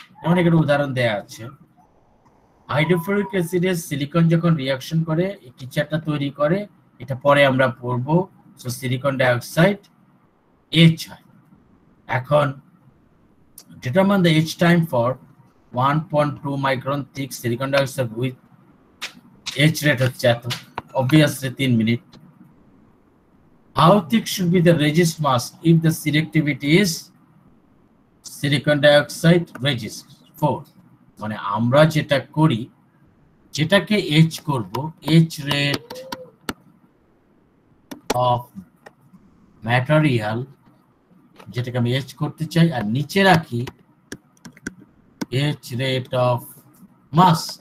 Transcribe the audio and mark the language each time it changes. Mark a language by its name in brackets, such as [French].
[Bangla] যেমন একটা উদাহরণ দেয়া আছে, হাইড্রোফ্লোরিক অ্যাসিডে সিলিকন যখন রিয়াকশন করে কিছু একটা তৈরি করে, এটা পরে আমরা পড়ব, সো সিলিকন ডাইঅক্সাইড এইচ হয়। [English] এখন determine the etch time for 1.2 micron thick silicon dioxide with etch rate [Bangla] হচ্ছে এত, [English] Obviously 3 minute, How thick should be the resist mask if the selectivity is silicon dioxide resist 4? [Bangla] মানে আমরা যেটা করি যেটাকে H করব [English] etch rate of material [Bangla] যেটাকে আমি এচ করতে চাই আর নিচে রাখি [English] etch rate of mask